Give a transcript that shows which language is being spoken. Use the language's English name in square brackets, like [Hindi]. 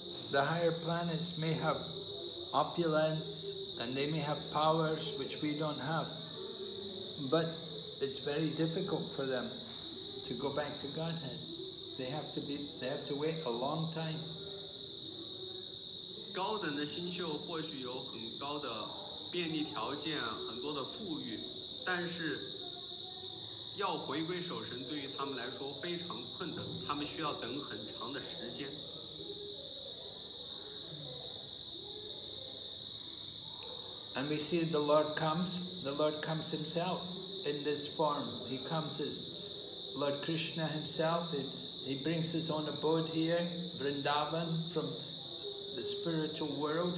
[English] The higher planets may have opulence and they may have powers which we don't have, but it's very difficult for them to go back to Godhead. They have to wait a long time. [Chinese] 高等的星宿或许有很高的便利条件，很多的富裕，但是要回归守神对于他们来说非常困难，他们需要等很长的时间。 [English] And we see the Lord comes himself in this form. He comes as Lord Krishna himself. He brings his own abode here, Vrindavan, from the spiritual world.